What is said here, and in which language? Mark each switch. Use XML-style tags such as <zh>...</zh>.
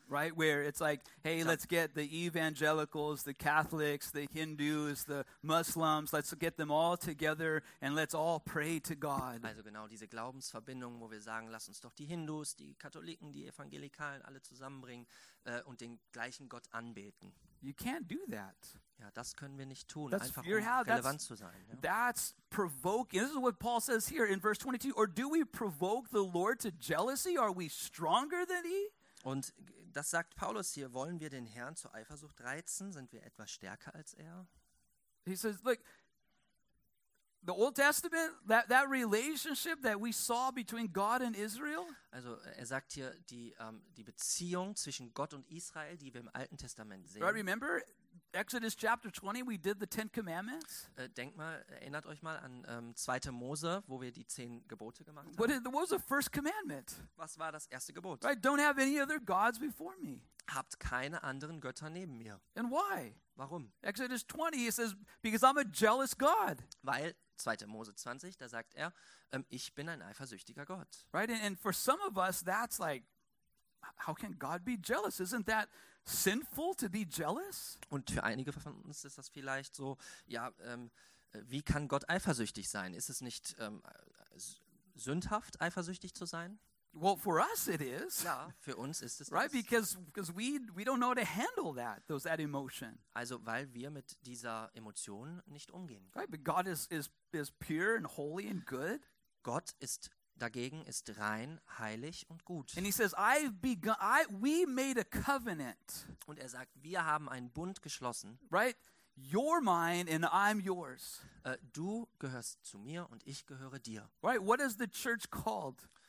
<en>Right, where it's like, hey, let's get the evangelicals, the Catholics, the Hindus, the Muslims, let's get them all together and let's all pray to God.</en> <de>Also genau diese Glaubensverbindungen, wo wir sagen, lass uns doch die Hindus, die Katholiken, die Evangelikalen alle zusammenbringen und den gleichen Gott anbeten.</de> <en>You can't do that.</en> <de>Ja, das können wir nicht tun, that's einfach relevant zu sein. Ja.</de> <en>That's provoking. This is what Paul says here in verse 22. Or do we provoke the Lord to jealousy? Are we stronger than he?</en> <de>Und das sagt Paulus hier. Wollen wir den Herrn zur Eifersucht reizen? Sind wir etwas stärker als er?</de> <en>He says, look, the Old Testament, that relationship that we saw between God and Israel.</en> <de>Also sagt hier, die Beziehung zwischen Gott und Israel, die wir im Alten Testament sehen.</de> <en>Do I remember Exodus chapter 20, we did the Ten Commandments.</en> <de>Erinnert euch mal an 2. Mose, wo wir die 10 Gebote gemacht haben.</de> <en>What was the first commandment?</en> <de>Was war das erste Gebot?</de> <en>Right, don't have any other gods before me.</en> <de>Habt keine anderen Götter neben mir.</de> <en>And why?</en> <de>Warum?</de> <en>Exodus 20, he says, because I'm a jealous God.</en> <de>Weil 2. Mose 20, da sagt er, ich bin ein eifersüchtiger Gott.</de> <en>Right, and for some of us, that's like, how can God be jealous? Isn't that sinful to be jealous?</en> <de>Und für einige von uns ist das vielleicht so, ja, wie kann Gott eifersüchtig sein? Ist es nicht sündhaft, eifersüchtig zu sein?</de> <en>Well, for us it is.</en> <de>Ja, für uns ist es.</de> <en>Right, because we don't know how to handle that emotion.</en> <de>Also, weil wir mit dieser Emotion nicht umgehen.</de> <en>Right, but God is pure and holy and good.</en> <de>Gott ist dagegen ist rein, heilig und gut.</de> <en>And he says, we made a covenant.</en> <de>Und er sagt, wir haben einen Bund geschlossen.</de> <en>Right? You're mine and I'm yours.</en> <de>Du gehörst zu mir und ich gehöre dir.</de> <en>Right, what is the church called?</en>